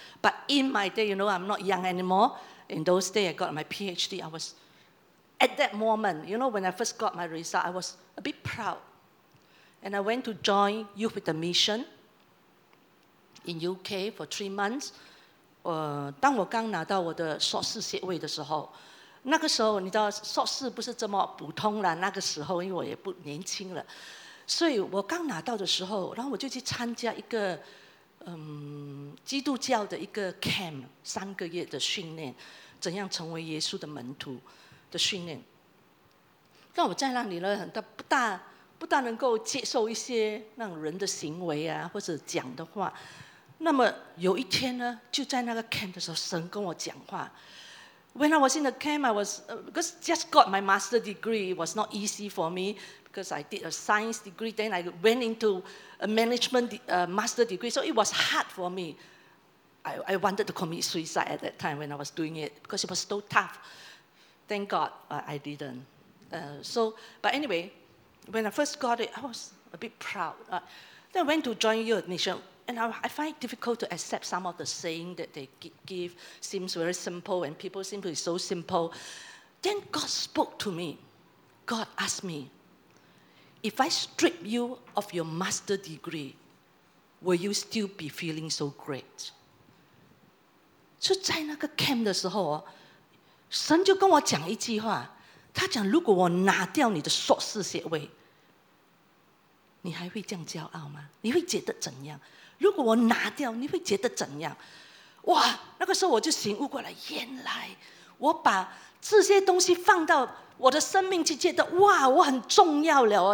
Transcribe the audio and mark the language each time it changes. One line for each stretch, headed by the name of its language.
English: But in my day, you know, I'm not young anymore. In those days, I got my PhD. I was, at that moment, you know, when I first got my result, I was a bit proud. And I went to join Youth with a Mission in UK for 3 months.
Chinese: 当我刚拿到我的硕士学位的时候那个时候你知道硕士不是这么普通了那个时候因为我也不年轻了所以我刚拿到的时候然后我就去参加一个基督教的一个 camp 3个月的训练怎样成为耶稣的门徒的训练。那我在那里呢，很大不大能够接受一些那种人的行为啊，或者讲的话。那么有一天呢，就在那个 camp 的时候，神跟我讲话。
English: When I was in the camp, I was because just got my master's degree. It was not easy for me because I did a science degree. Then I went into a management master's degree. So it was hard for me. I wanted to commit suicide at that time when I was doing it because it was so tough. Thank God I didn't. But anyway, when I first got it, I was a bit proud. Then I went to join Youth Mission. And I find it difficult to accept some of the saying that they give. Seems very simple, and people seem to be so simple. Then God spoke to me. God asked me, if I strip you of your master's degree, will you still be feeling so great?
Chinese: 就在那个 camp 的时候，神就跟我讲一句话，他讲，如果我拿掉你的硕士学位，你还会这样骄傲吗？你会觉得怎样？如果我拿掉，你会觉得怎样？哇，那个时候我就醒悟过来，原来我把这些东西放到我的生命去，觉得哇，我很重要了哦。